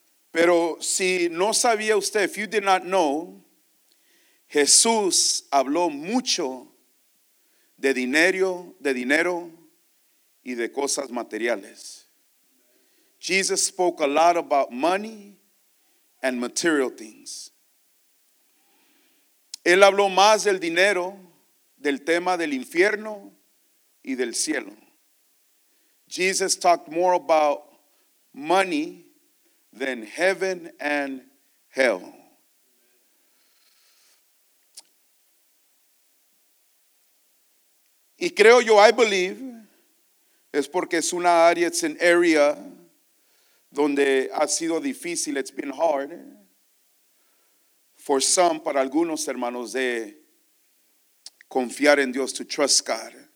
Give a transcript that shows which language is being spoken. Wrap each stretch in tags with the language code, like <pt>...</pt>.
<es>Pero si no sabía usted,</es> <en>if you did not know,</en> <es>Jesús habló mucho de dinero y de cosas materiales.</es> <en>Jesus spoke a lot about money and material things.</en> <es>Él habló más del dinero, del tema del infierno y del cielo.</es> <en>Jesus talked more about money than heaven and hell.</en> <es>Y creo yo,</es> <en>I believe,</en> <es>es porque es una área,</es> <en>it's an area</en> <es>donde ha sido difícil,</es> <en>it's been hard for some,</en> <es>para algunos hermanos, de confiar en Dios,</es> <en>to trust God.</en>